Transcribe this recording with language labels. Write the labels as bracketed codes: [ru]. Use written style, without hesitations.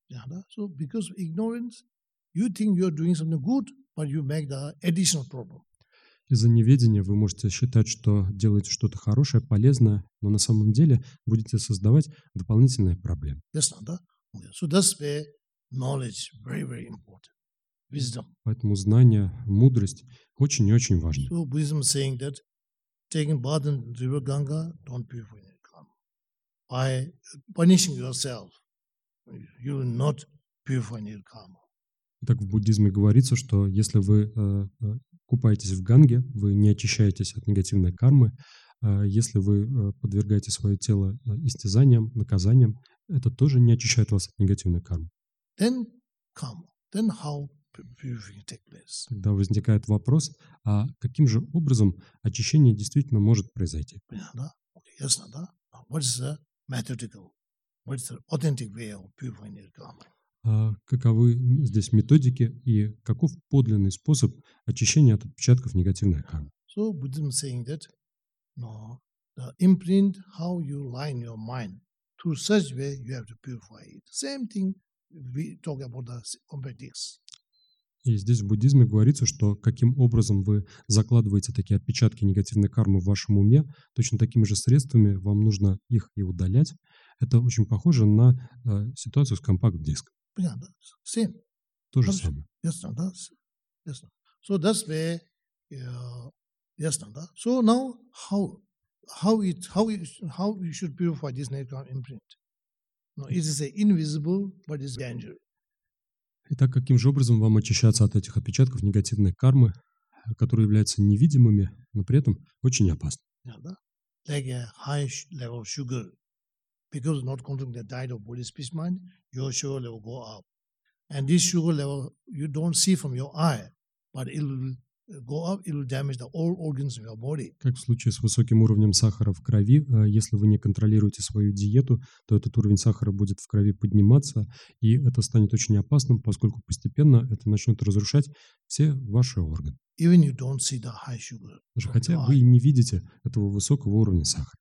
[en] Yeah, да? So because of ignorance, you think you're doing something good, but you make the additional problem. [ru] Из-за неведения вы можете считать, что делаете что-то хорошее, полезное, но на самом деле будете создавать дополнительные проблемы. Ясно, да? [en] Okay. So that's where knowledge very, very important. Wisdom. [ru] Поэтому знание, мудрость очень и очень важны. [en] So Buddhism saying that taking bath in river Ganga don't purify your karma. By punishing yourself, you will not purify your karma. [ru] Так в буддизме говорится, что если вы купаетесь в Ганге, вы не очищаетесь от негативной кармы. Если вы подвергаете свое тело истязаниям, наказаниям, это тоже не очищает вас от негативной кармы. [en] Then come. Then how purifying take place? [ru] Тогда возникает вопрос, а каким же образом очищение действительно может произойти? Ясно, да? [en] What is the methodical? What is the authentic way of purifying your karma? [ru] Каковы здесь методики и каков подлинный способ очищения от отпечатков негативной кармы? [en] So Buddha is saying that the imprint how you line your mind to such way you have to purify it. Same thing we talk about the competitions. [ru] И здесь в буддизме говорится, что каким образом вы закладываете такие отпечатки негативной кармы в вашем уме, точно такими же средствами вам нужно их и удалять. Это очень похоже на ситуацию с компакт-диском. Понятно. Same. То же самое. Ясно, да? Ясно. [en] So that's where, [ru] ясно, да? [en] So now, how you should purify this negative imprint? No, it is invisible, but it's dangerous. [ru] Итак, каким же образом вам очищаться от этих отпечатков негативной кармы, которые являются невидимыми, но при этом очень опасны? [en] Yeah, да? Like a high level sugar. Because not controlling the diet of Buddhist peace mind, your sugar level go up. And this sugar level, you don't see from your eye, but it will go up, it will damage the all organs of your body. [ru] Как в случае с высоким уровнем сахара в крови, если вы не контролируете свою диету, то этот уровень сахара будет в крови подниматься, и это станет очень опасным, поскольку постепенно это начнет разрушать все ваши органы. [en] Even you don't see the high sugar. [ru] Даже хотя вы не видите этого высокого уровня сахара.